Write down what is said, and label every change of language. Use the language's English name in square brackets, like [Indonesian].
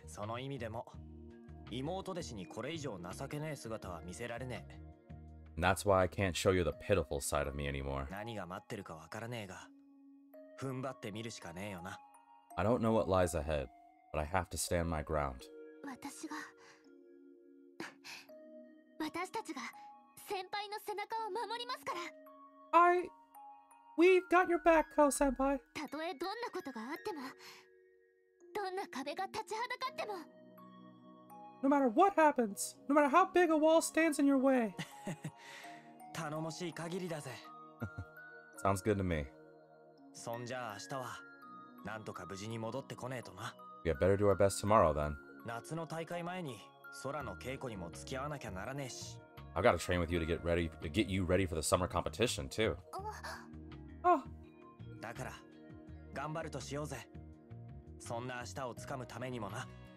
[Japanese] その意味でも、妹弟子にこれ以上情けねえ姿は見せられねえ。 [English] That's why I can't show you the pitiful side of me anymore. [Japanese] 何が待ってるかわからねえが、踏ん張ってみるしかねえよな。 [English] I don't know what lies ahead, but I have to stand my ground. [Japanese] 私が…私たちが…先輩の背中を守りますから。 [English] We've got your back, Kou-senpai. [Japanese] たとえどんなことがあっても、どんな壁が立ちはだかっても。 [English] No matter what happens, no matter how big a wall stands in your way. [Japanese] 頼もしい限りだぜ。 [English] Sounds good to me. [Japanese] そんじゃあ明日は、なんとか無事に戻ってこねえとな。 [English] We had better do our best tomorrow then. [Japanese] 夏の大会前に、空の稽古にも付き合わなきゃならねえし。 [English] I've got to train with you to get you ready for the summer competition, too. Oh. [Japanese] だから、頑張るとしようぜ。そんな明日をつかむためにもな。